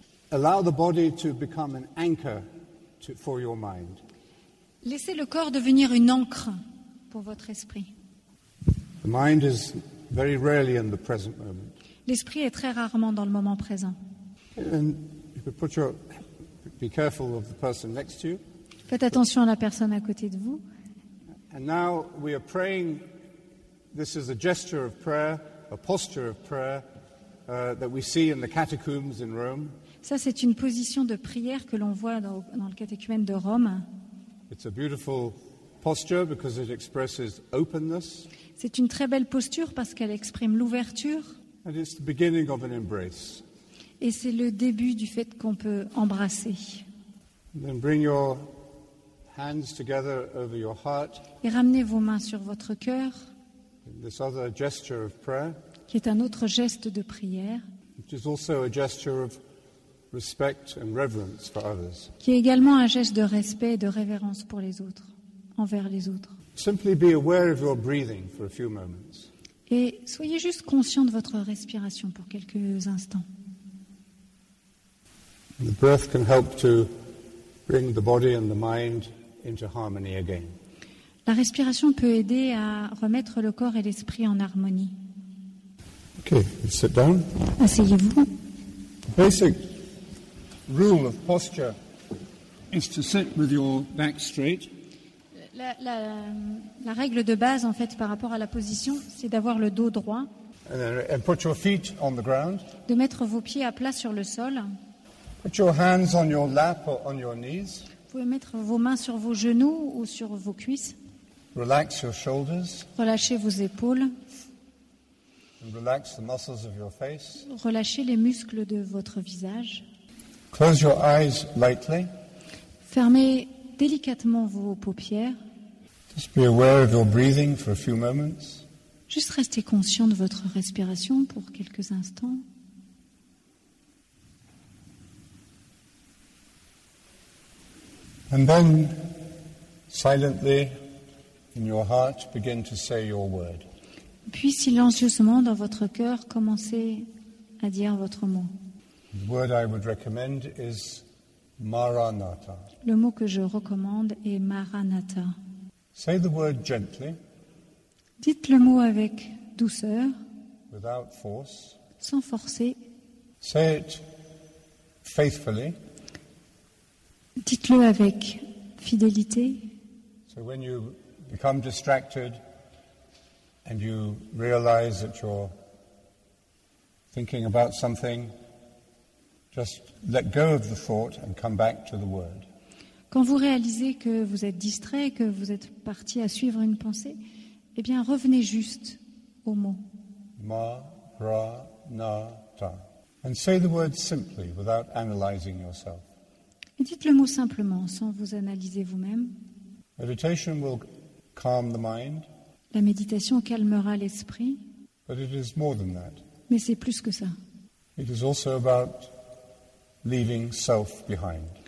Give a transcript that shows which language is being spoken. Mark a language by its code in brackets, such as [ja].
[en] Allow the body to become an anchor for your mind. [fr] Laissez le corps devenir une ancre pour votre esprit. [en] The mind is very rarely in the present moment. [fr] L'esprit est très rarement dans le moment présent. [en] And you could put your, be careful of the person next to you. [fr] Faites attention à la personne à côté de vous. [en] And now we are praying. This is a gesture of prayer, a posture of prayer that we see in the catacombs in Rome. [fr] Ça, c'est une position de prière que l'on voit dans le catéchumène de Rome. [en] It's a beautiful posture because it expresses openness. [fr] C'est une très belle posture parce qu'elle exprime l'ouverture. [en] And it's the beginning of an embrace. [fr] Et c'est le début du fait qu'on peut embrasser. [en] And then bring your hands together over your heart. [fr] Et ramenez vos mains sur votre cœur. [en] This other gesture of prayer. [fr] Qui est un autre geste de prière. [en] Which is also a gesture of respect and reverence for others. [fr] Qui est également un geste de respect et de révérence pour les autres, envers les autres. [en] Simply be aware of your breathing for a few moments. [fr] Et soyez juste conscient de votre respiration pour quelques instants. [en] The breath can help to bring the body and the mind into harmony again. [fr] La respiration peut aider à remettre le corps et l'esprit en harmonie. [en] Okay, let's sit down. [fr] Asseyez-vous. [en] The basic rule of posture is to sit with your back straight. [fr] La règle de base, en fait, par rapport à la position, c'est d'avoir le dos droit. [en] And put your feet on the ground. [fr] De mettre vos pieds à plat sur le sol. [en] Put your hands on your lap or on your knees. [fr] Vous pouvez mettre vos mains sur vos genoux ou sur vos cuisses. [en] Relax your shoulders. [fr] Relâchez vos épaules. [en] And relax the muscles of your face. [fr] Relâchez les muscles de votre visage. [en] Close your eyes lightly. [fr] Fermez délicatement vos paupières. [en] Just be aware of your breathing for a few moments. [fr] Juste restez conscient de votre respiration pour quelques instants. [en] And then, silently, in your heart, begin to say your word. [fr] Puis silencieusement dans votre cœur, commencez à dire votre mot. [en] The word I would recommend is Maranatha. [fr] Le mot que je recommande est Maranatha. [en] Say the word gently. [fr] Dites le mot avec douceur. [en] Without force. [fr] Sans forcer. [en] Say it faithfully. [fr] Dites-le avec fidélité. [en] So when you become distracted and you realize that you're thinking about something, just let go of the thought and come back to the word. [fr] Quand vous réalisez que vous êtes distrait, que vous êtes parti à suivre une pensée, eh bien revenez juste au mot. [arc] Maranatha. [en] And say the word simply without analyzing yourself. [fr] Et dites le mot simplement sans vous analyser vous-même. [en] Meditation will calm the mind. [fr] La méditation calmera l'esprit. [en] But it is more than that. [fr] Mais c'est plus que ça. [en] It is also about leaving self behind.